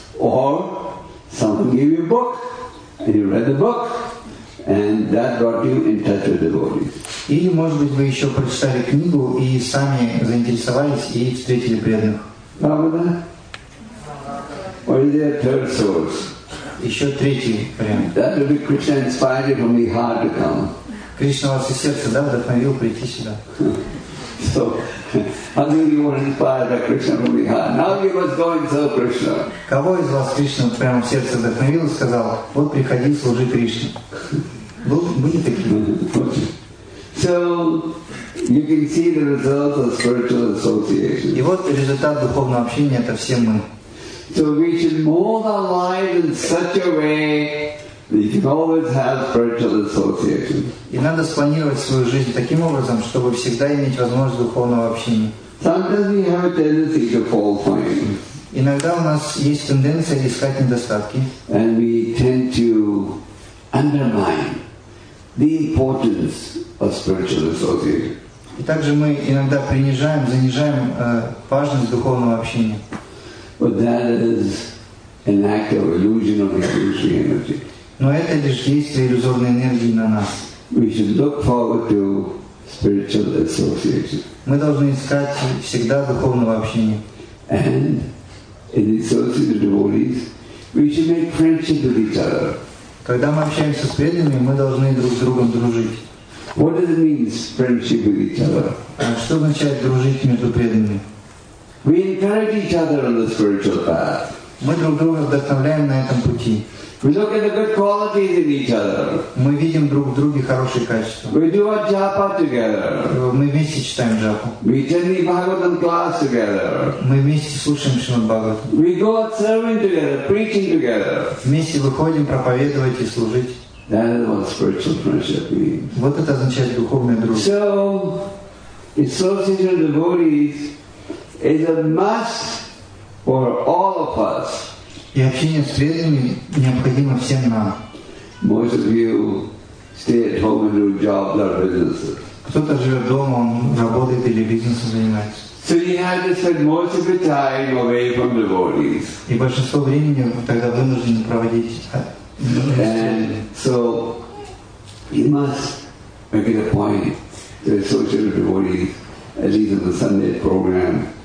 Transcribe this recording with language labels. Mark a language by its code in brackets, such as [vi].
[en] Or someone gave you a book, and you read the book, and that brought you in touch with the devotee. [ru] Или, может быть, вы еще прочитали книгу и сами заинтересовались и встретили преданных. Правда? [en] Or is there a third source? [ru] Еще третий вариант. [en] That would be Krishna inspired you from the heart to come. [ru] Кришна вас из сердца, да, вдохновил прийти сюда. [en] So, how do you want to inspire that Krishna from the heart? Now you must go and serve Krishna. [ru] Кого из вас Кришна прямо в сердце вдохновил и сказал, вот приходи, служи Кришне. Были такие. [en] So, you can see the result of spiritual association. [ru] И вот результат духовного общения, это все мы. [en] So we should mold our lives in such a way that you can always have spiritual association. [ru] И надо спланировать свою жизнь таким образом, чтобы всегда иметь возможность духовного общения. [en] Sometimes we have a tendency to fall fine. [ru] Иногда у нас есть тенденция искать недостатки. [en] And we tend to undermine the importance of spiritual association. [ru] И также мы иногда принижаем, занижаем важность духовного общения. [en] But that is an act of illusion of illusory energy. [ru] Но это лишь действие иллюзорной энергии на нас. [en] We should look forward to spiritual association. [ru] Мы должны искать всегда духовного общения. [en] And in associating with devotees, we should make friendship with each other. [ru] Когда мы общаемся с преданными, мы должны друг с другом дружить. [en] What does it mean, friendship with each other? [ru] Что означает дружить между преданными? [en] We encourage each other on the spiritual path. [ru] Мы друг друга вдохновляем на этом пути. [en] We look at the good qualities in each other. [ru] Мы видим друг в друге хорошие качества. [en] We do our japa together. [ru] Мы вместе читаем джапу. [en] We attend the Bhagavatam class together. [ru] Мы вместе слушаем Шримад-Бхагаватам. [en] We go out serving together, preaching together. [ru] Вместе выходим проповедовать и служить. [en] That is what spiritual friendship means. [ru] Вот это означает духовная дружба. [en] So, associating devotees is a must for all of us. [ru] И общение с преданными необходимо всем нам. [en] Most of you stay at home and do jobs or businesses. [ru] Кто-то живет дома, он работает или бизнесом занимается. [en] So you have to spend most of your time away from devotees. [ru] И большинство времени тогда вынуждены проводить. [en] And so you must make it a point to associate with devotees at least on the Sunday program.